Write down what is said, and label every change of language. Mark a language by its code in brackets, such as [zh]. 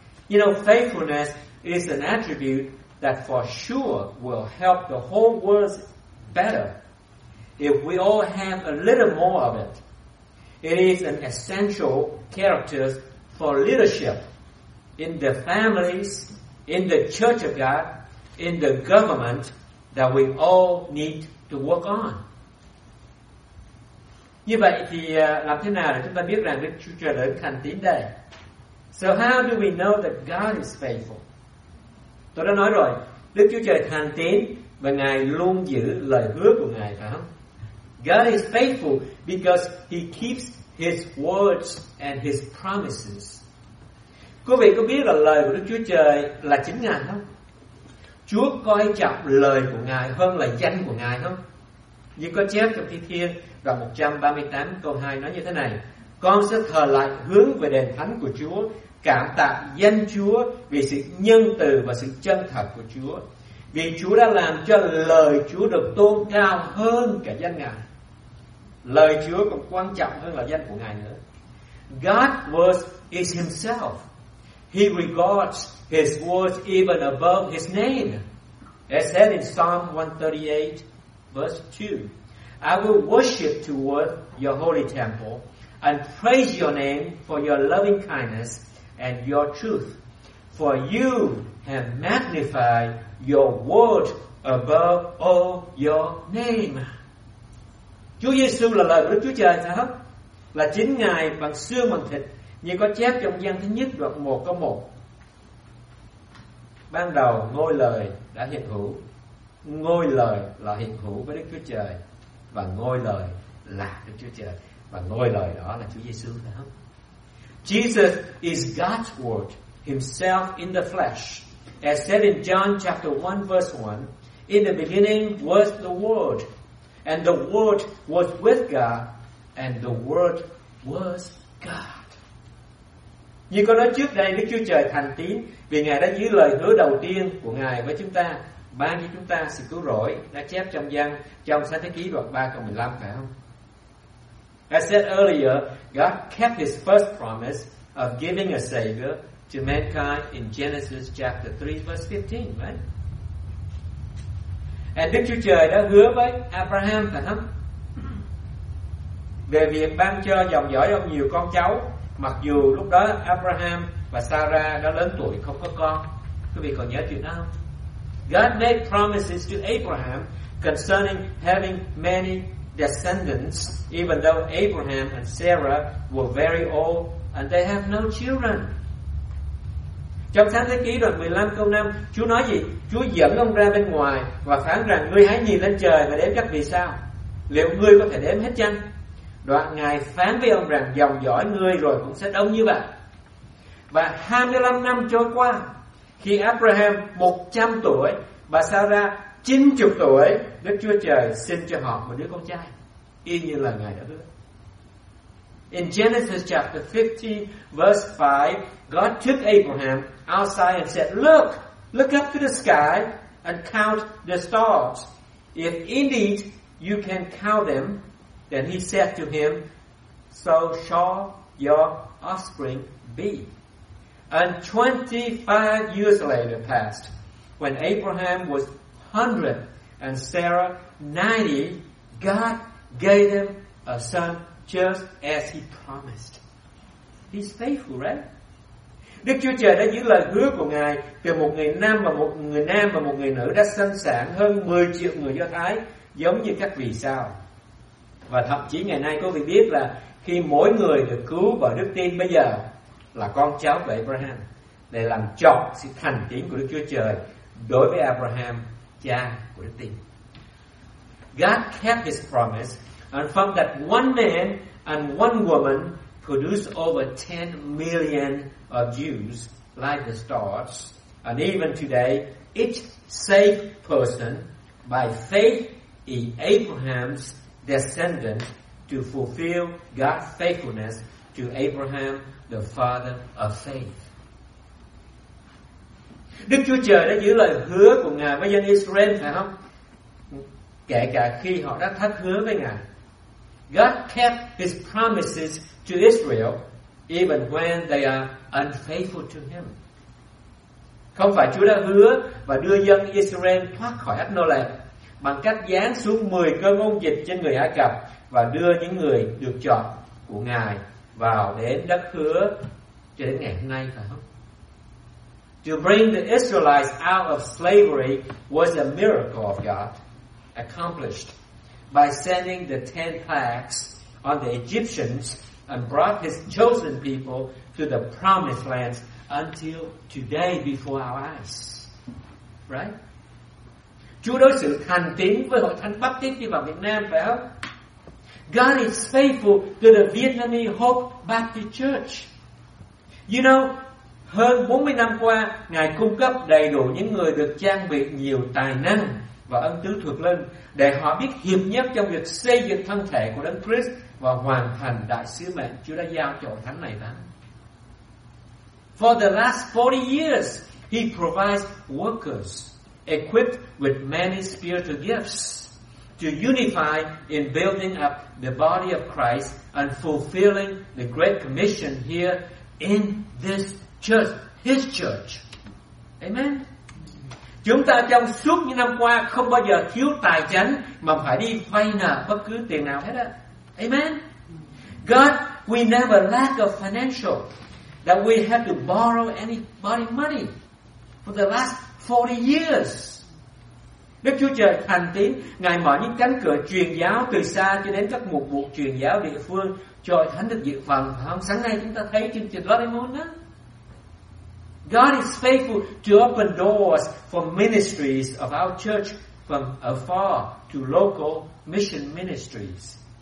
[en] You know, faithfulness is an attribute that for sure will help the whole world better if we all have a little more of it. It is an essential character for leadership. in the families, in the church of God, in the government that we all need to work on. [vi] Như vậy thì làm thế nào để chúng ta biết rằng Đức Chúa Trời đến thành tín đây? [en] So how do we know that God is faithful? [vi] Tôi đã nói rồi, Đức Chúa Trời thành tín và Ngài luôn giữ lời hứa của Ngài, phải không? [en] God is faithful because He keeps His words and His promises. [vi] Quý vị có biết là lời của Đức Chúa Trời là chính Ngài không? Chúa coi trọng lời của Ngài hơn là danh của Ngài không? Như có chép trong Thi Thiên đoạn 138 câu 2 nói như thế này: Con sẽ thờ lại hướng về đền thánh của Chúa, cảm tạ danh Chúa vì sự nhân từ và sự chân thật của Chúa, vì Chúa đã làm cho lời Chúa được tôn cao hơn cả danh Ngài. Lời Chúa còn quan trọng hơn là danh của Ngài nữa. [en] God was is himself. He regards his words even above his name. As said in Psalm 138 verse 2, I will worship toward your holy temple and praise your name for your loving kindness and your truth. For you have magnified your word above all your name. [vi] Chúa Giêsu là lời của Chúa Trời, phải không? Là chính Ngài bằng xương bằng thịt, như có chép trong Giăng thứ nhất đoạn 1 câu 1. Ban đầu ngôi lời đã hiện hữu. Ngôi lời là hiện hữu với Đức Chúa Trời, và ngôi lời là Đức Chúa Trời, và ngôi lời đó là Chúa Giêsu, phải không? [en] Jesus is God's word himself in the flesh. As said in John chapter 1 verse 1, in the beginning was the word, and the word was with God, and the word was God. [vi] Như có nói trước đây, Đức Chúa Trời thành tín vì Ngài đã giữ lời hứa đầu tiên của Ngài với chúng ta, ban cho chúng ta sự cứu rỗi, đã chép trong Giăng trong Sách Thế Ký đoạn 3 câu 15, phải không? [en] As said earlier, God kept his first promise of giving a savior to mankind in Genesis chapter 3 verse 15, right? [vi] And Đức Chúa Trời đã hứa với Abraham, phải không? Về việc ban cho dòng dõi ông nhiều con cháu, mặc dù lúc đó Abraham và Sarah đã lớn tuổi không có con. Quý vị còn nhớ chuyện đó không? [en] God made promises to Abraham concerning having many descendants, even though Abraham and Sarah were very old and they have no children. [vi] Trong Sáng Thế Ký đoạn 15 câu 5, Chúa nói gì? Chúa dẫn ông ra bên ngoài và phán rằng: Ngươi hãy nhìn lên trời và đếm các vì sao, liệu ngươi có thể đếm hết chăng? Đoạn Ngài phán với ông rằng: Dòng dõi ngươi rồi cũng sẽ đông như vậy. Và 25 năm trôi qua, khi Abraham 100 tuổi và Sarah 90 tuổi, Đức Chúa Trời xin cho họ một đứa con trai y như là Ngài đã hứa. [en] In Genesis chapter 15 verse 5, God took Abraham outside and said, "Look, look up to the sky and count the stars. If indeed you can count them, then he said to him, so shall your offspring be." And 25 years later passed, when Abraham was 100 and Sarah 90, God gave them a son just as he promised. He's faithful, right? [vi] Đức Chúa Trời đã giữ lời hứa của Ngài từ một người nam và một người nam và một người nữ đã sanh sản hơn 10 triệu người Do Thái giống như các vì sao. Và thậm chí ngày nay có vị biết là khi mỗi người được cứu bởi đức tin bây giờ là con cháu của Abraham, để làm trọn sự thành tín của Đức Chúa Trời đối với Abraham, cha của đức tin. [en] God kept his promise, and from that one man and one woman produced over 10 million of Jews like the stars. And even today, each saved person by faith in Abraham's descendant to fulfill God's faithfulness to Abraham, the father of faith. [vi] Đức Chúa Trời đã giữ lời hứa của Ngài với dân Israel, phải không? Kể cả khi họ đã thất hứa với Ngài. [en] God kept his promises to Israel even when they are unfaithful to him. [vi] Không phải Chúa đã hứa và đưa dân Israel thoát khỏi ách nô lệ bằng cách giáng xuống 10 cơn ôn dịch trên người Ai Cập và đưa những người được chọn của Ngài vào đến đất hứa cho đến ngày hôm nay, phải không? [en] To bring the Israelites out of slavery was a miracle of God, accomplished by sending the 10 plagues on the Egyptians and brought his chosen people to the promised land until today before our eyes. Right? [vi] Chúa đối xử thành tín với hội thánh Baptist đi vào Việt Nam, phải không? [en] God is faithful to the Vietnamese Hope Baptist Church. You know, [vi] hơn 40 năm qua, Ngài cung cấp đầy đủ những người được trang bị nhiều tài năng và ân tứ thuộc linh để họ biết hiệp nhất trong việc xây dựng thân thể của Đấng Christ và hoàn thành đại sứ mệnh Chúa đã giao cho hội thánh này đó. [en] For the last 40 years, He provides workers equipped with many spiritual gifts to unify in building up the body of Christ and fulfilling the great commission here in this church, His church. Amen. [vi] Chúng ta trong suốt những năm qua không bao giờ thiếu tài chánh mà phải đi vay nợ bất cứ tiền nào hết á. [en] Amen. God, we never lack of financial that we have to borrow anybody money for the last 40 years. [vi] Đức Chúa Trời thành tín, Ngài mở những cánh cửa truyền giáo từ xa cho đến các mục vụ truyền giáo địa phương cho thánh được dự phần. Hôm sáng nay chúng ta thấy chương trình Lord Emon đó. [en] God is faithful to open doors for ministries of our church from afar to local mission ministries.